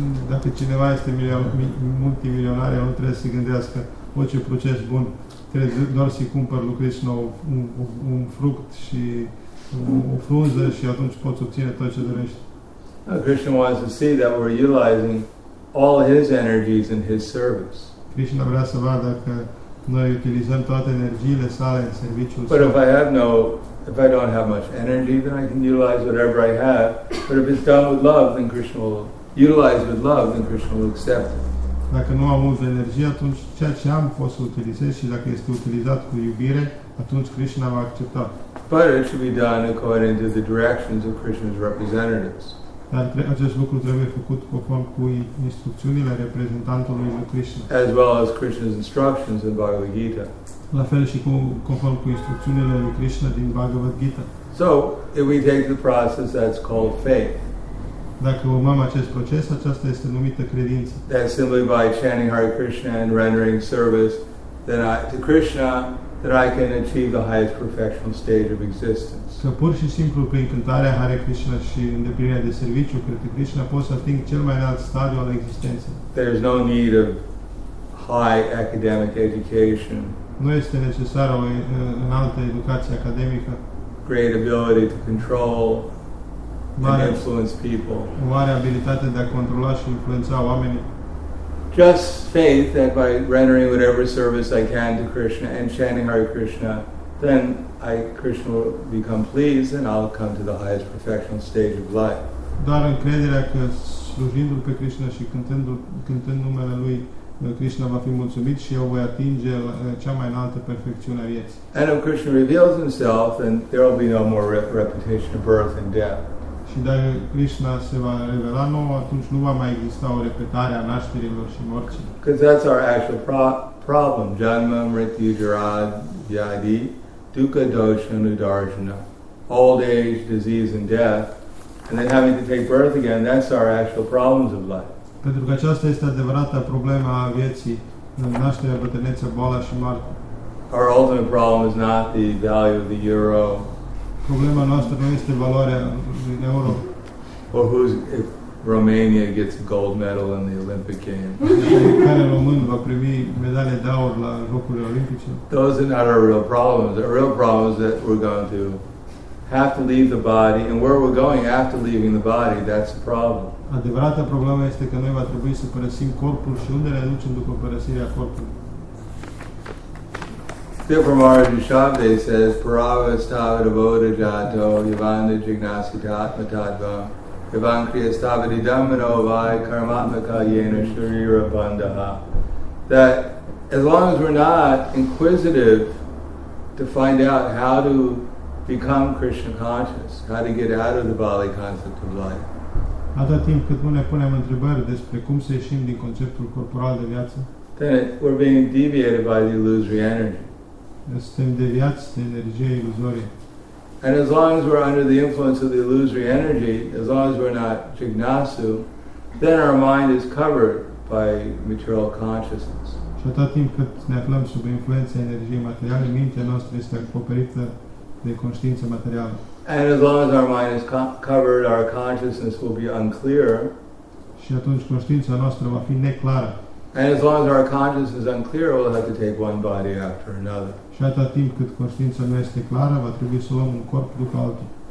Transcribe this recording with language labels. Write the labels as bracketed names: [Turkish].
[Romanian] Dacă cineva este multimilionar, nu trebuie să gândească orice proces bun. Trebuie doar să-i cumpăr lui Krishna un fruct și o frunză și atunci poți obține tot ce dorești. [English] Krishna wants to see that we're utilizing all his energies in his service. [Romanian] Krishna vrea să vadă că noi utilizăm toate energiile sale în serviciul său. [English] But if I don't have much energy, then I can utilize whatever I have. But if it's done with love, then Krishna will utilize with love, then Krishna will accept it. [Romanian] Dacă nu am multă energie, atunci ceea ce am pot să utilizez și dacă este utilizat cu iubire, atunci Krishna va accepta. [English] But it should be done according to the directions of Krishna's representatives. [Romanian] Dar acest lucru trebuie făcut conform cu instrucțiunile reprezentantului lui Krishna. [English] As well as Krishna's instructions in Bhagavad Gita. [Romanian] La fel și conform cu instrucțiunile lui Krishna din Bhagavad Gita. [English] So, if we take the process that's called faith. [Romanian] Dacă urmăm acest proces, aceasta este numită credință. [English] That simply by chanting Hare Krishna and rendering service to Krishna, that I can achieve the highest perfectional stage of existence. [Romanian] Să pur și simplu prin cântarea Hare Krishna și îndeplinirea de serviciu către Krishna pot să ating cel mai înalt stadiu al existenței. [English] There is no need of high academic education. [Romanian] Nu este necesară o înaltă educație academică. [English] Great ability to control and influence people. [Romanian] O mare abilitate de a controla și influența oamenii. [English] Just faith that by rendering whatever service I can to Krishna and chanting Hare Krishna, then Krishna will become pleased and I'll come to the highest perfectional stage of life. [Romanian] Doar încrederea că slujindu-L pe Krishna și cântând numele Lui, Krishna va fi mulțumit și eu voi atinge cea mai înaltă perfecțiune a vieții. [English] And if Krishna reveals Himself, then there will be no more repetition of birth and death. [Romanian] Și dacă Krishna se va revela nouă, atunci nu va mai exista o repetare a nașterilor și morții. [English] Because that's our actual problem. [Sanskrit] Janma, mrityu, jara, vyadi, dukkha, dosha, nudarjana. [English] Old age, disease and death. And then having to take birth again, that's our actual problems of life. [Romanian] Pentru că aceasta este adevărata problema a vieții, nașterea, bătrânețea, boala și moartea. [English] Our ultimate problem is not the value of the euro. [Romanian] Problema noastră nu este valoarea din euro. [English] Or who's, if Romania gets a gold medal in the Olympic Games. [Romanian] Care român va primi medalie de aur la Jocurile Olimpice. [English] Those are not our real problems. Our real problem is that we're going to have to leave the body, and where we're going after leaving the body, that's the problem. [Romanian] Adevărata problemă este că noi va trebui să părăsim corpul și unde ne ducem după părăsirea corpului. [English] Therefore, Maharaj Shabde says, [Sanskrit] Parava stava devota jato, yavanda jignasita atmatadva, yavankriya stava didamano vai karmatmaka yena sharira bandaha. [English] That as long as we're not inquisitive to find out how to become Krishna conscious, how to get out of the Bali concept of life. [Romanian] Atât timp cât nu ne punem întrebări despre cum să ieșim din conceptul corporal de viață, [English] then we're being deviated by the illusory energy. [Romanian] Suntem deviați de energie iluzorie. [English] And as long as we're under the influence of the illusory energy, as long as we're not jignasu, then our mind is covered by material consciousness. [Romanian] Și atât timp cât ne aflăm sub influența energiei materiale, mintea noastră este acoperită de conștiință materială. [English] And as long as our mind is covered, our consciousness will be unclear. [Romanian] Și atunci conștiința noastră va fi neclară. [English] And as long as our conscience is unclear, we'll have to take one body after another. [Romanian] Și atât timp cât conștiința nu este clară, va trebui să luăm un corp după altul.